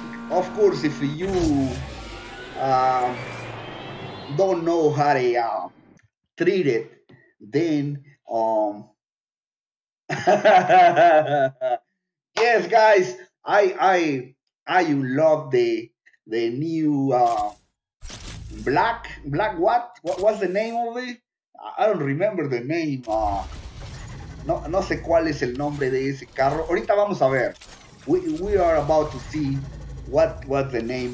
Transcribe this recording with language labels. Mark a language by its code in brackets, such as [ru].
[en] Of course, if you don't know how to treat it, then yes, guys, I love the new black what was the name of it? I don't remember the name. [es] No sé cuál es el nombre de ese carro. Ahorita vamos a ver. [en] We are about to see what was the name.